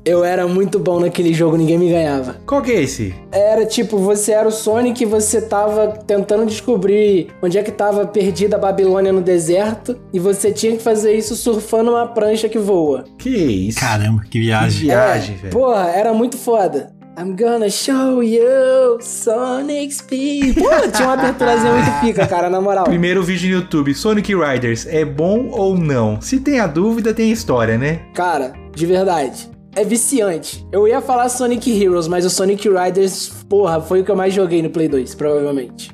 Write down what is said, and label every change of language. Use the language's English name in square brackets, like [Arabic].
[Portuguese] Eu era muito bom naquele jogo, ninguém me ganhava. Qual que é esse? Era tipo, você era o Sonic e você tava tentando descobrir onde é que tava perdida a Babilônia no deserto. E você tinha que fazer isso surfando uma prancha que voa. Que isso? Caramba, que viagem. Que viagem, velho. Porra, era muito foda. [English] I'm gonna show you Sonic Speed. [Portuguese] Pô, tinha uma aberturazinha muito pica, cara, na moral. Primeiro vídeo no YouTube, Sonic Riders, é bom ou não? Se tem a dúvida, tem a história, né? Cara, de verdade, é viciante. Eu ia falar Sonic Heroes, mas o Sonic Riders, porra, foi o que eu mais joguei no Play 2, provavelmente.